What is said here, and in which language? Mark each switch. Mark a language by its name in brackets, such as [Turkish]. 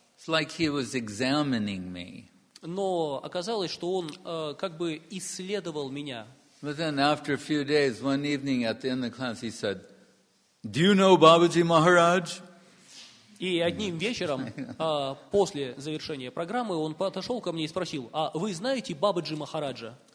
[English] It's like he was examining me. [Russian] Но оказалось, что он как бы исследовал меня. [English] But then after a few days, one evening at the end of class, he said, "Do you know Babaji Maharaj?" [Russian] И одним вечером, после завершения программы, он подошел ко мне и спросил, а вы знаете Бабаджи Махараджа?